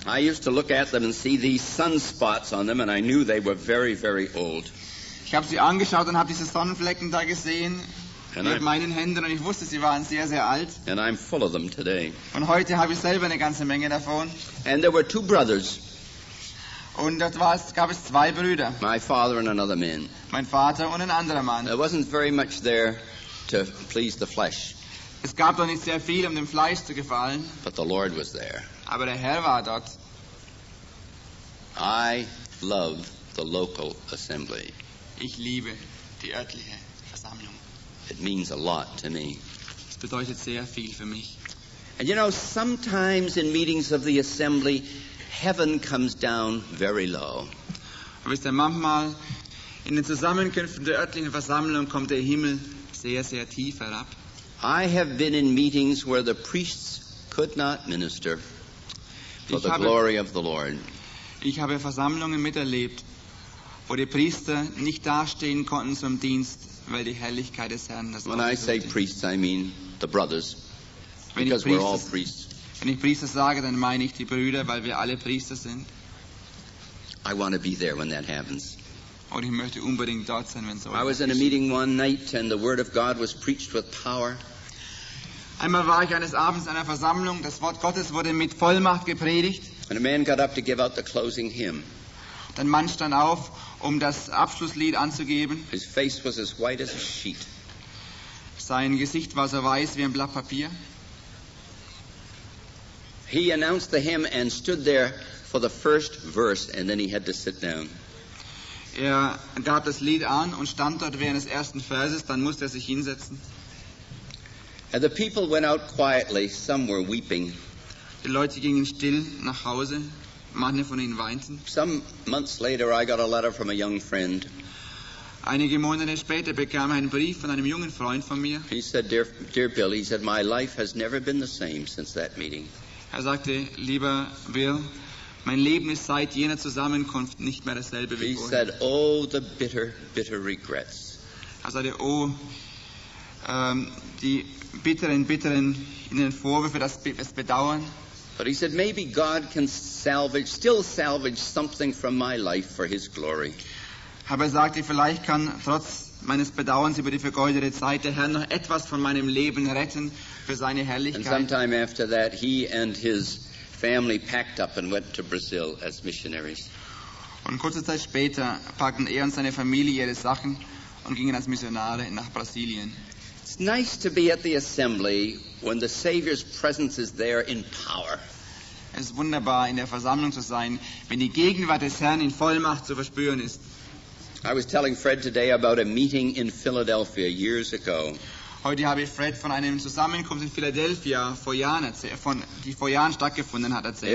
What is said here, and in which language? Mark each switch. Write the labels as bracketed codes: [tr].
[en] I used to look at them and see these sunspots on them, and I knew they were very, very old. [de] Ich habe sie angeschaut und habe diese Sonnenflecken da gesehen mit meinen Händen, und ich wusste, sie waren sehr, sehr alt. [en] And I'm full of them today. [de] Und heute habe ich selber eine ganze Menge davon. [en] And there were two brothers. [de] Und das war, gab es zwei Brüder. [en] My father and another man. [de] Mein Vater und ein anderer Mann. [en] There wasn't very much there to please the flesh. [de] Es gab doch nicht sehr viel, um dem Fleisch zu gefallen. [en] But the Lord was there. [de] Aber der Herr war dort. [en] I love the local assembly. [de] Ich liebe die örtliche Versammlung. [en] It means a lot to me. [de] Es bedeutet sehr viel für mich. [en] And you know, sometimes in meetings of the assembly, heaven comes down very low. [de] Wisst ihr, manchmal in den Zusammenkünften der örtlichen Versammlung kommt der Himmel sehr, sehr tief herab. [en] I have been in meetings where the priests could not minister for the glory of the Lord. [de] Ich habe Versammlungen miterlebt, wo die Priester nicht dastehen konnten zum Dienst, weil die Herrlichkeit des Herrn das. [en] When I say priests, I mean the brothers, because we're all priests. [de] Wenn ich Priester sage, dann meine ich die Brüder, weil wir alle Priester sind. [en] I want to be there when that happens. [de] Und ich möchte unbedingt dort sein, wenn so. [en] I was in a meeting one night and the word of God was preached with power. [de] Einmal war ich eines Abends in einer Versammlung, das Wort Gottes wurde mit Vollmacht gepredigt. [en] And a man got up to give out the closing hymn. [de] Ein Mann stand auf, um das Abschlusslied anzugeben. [en] His face was as white as a sheet. [de] Sein Gesicht war so weiß wie ein Blatt Papier. [en] He announced the hymn and stood there for the first verse, and then he had to sit down. [de] Er gab das Lied an und stand dort während des ersten Verses, dann musste er sich hinsetzen. [en] And the people went out quietly, some were weeping. [de] Die Leute gingen still nach Hause. Manche von ihnen weinten. [en] Some months later I got a letter from a young friend. [de] Einige Monate später bekam ich einen Brief von einem jungen Freund von mir. [en] He said, dear Bill, he said, my life has never been the same since that meeting. [de] Er sagte, lieber Bill, mein Leben ist seit jener Zusammenkunft nicht mehr dasselbe wie vorher. [en] He said, oh, the bitter, bitter regrets. [de] Er sagte, oh, die bitteren, bitteren in den Vorwürfe, das Bedauern. [en] But he said, maybe God can still salvage something from my life for his glory. [de] Aber er sagte, vielleicht kann trotz meines Bedauerns über die vergeudete Zeit der Herr noch etwas von meinem Leben retten für seine Herrlichkeit. [en] And sometime after that, he and his family packed up and went to Brazil as missionaries. [de] Und kurze Zeit später packten er und seine Familie ihre Sachen und gingen als Missionare nach Brasilien. [en] It's nice to be at the assembly when the Savior's presence is there in power. [de] Es ist wunderbar, in der Versammlung zu sein, wenn die Gegenwart des Herrn in Vollmacht zu verspüren ist. [en] I was telling Fred today about a meeting in Philadelphia years ago. [de] Heute habe ich Fred von einem Zusammenkunft in Philadelphia vor Jahren erzählt, die vor Jahren stattgefunden hat, erzählt.